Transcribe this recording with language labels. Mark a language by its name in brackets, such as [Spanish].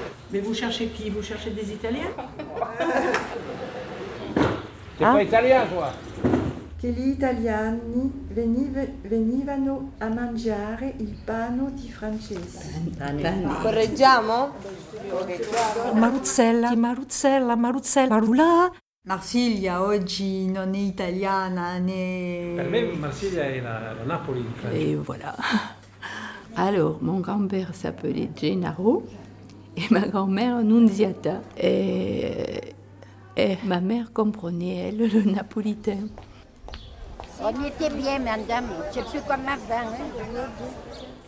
[French] Mais vous cherchez qui? Vous cherchez des Italiens? T'es pas italien, toi? [Italian] Che gli italiani venivano a mangiare il pane di francese. Correggiamo? Maruzzella, Maruzzella, Maruzzella, Rula. Marsiglia oggi non è italiana né... Per me Marsiglia è la Napoli in Francia. [French] E voilà. Allora, mon grand-père s'appelait Gennaro e ma grand-mère Nunziata. E ma mère comprenait, elle, le napolitain. On était bien, madame. Je ne sais plus comment avant. Hein.